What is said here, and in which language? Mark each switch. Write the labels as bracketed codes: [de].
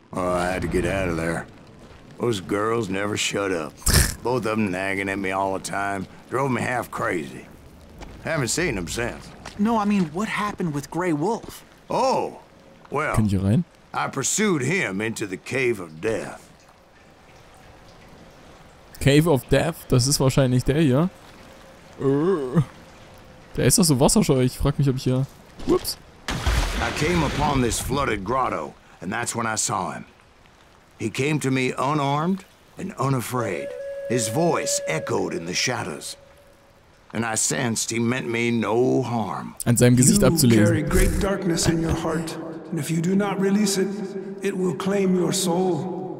[en] Oh, I had to get out of there. Those girls never shut up. Both of them nagging at me all the time. Drove me half crazy. Haven't seen them since. No, I mean, what happened with Grey Wolf? Oh, well, can you rein? I pursued him into the Cave of Death. [de] Cave of Death, das ist wahrscheinlich der hier. Der ist doch so wasserscheu, ich frag mich, ob ich hier. [en] Whoops. I came upon this flooded grotto, and that's when I saw him. He came to me unarmed and unafraid. His voice echoed in the shadows. And I sensed he meant me no harm. [de] An seinem Gesicht abzulesen. [en] You carry great darkness in your heart, and if you do not release it, it will claim your soul.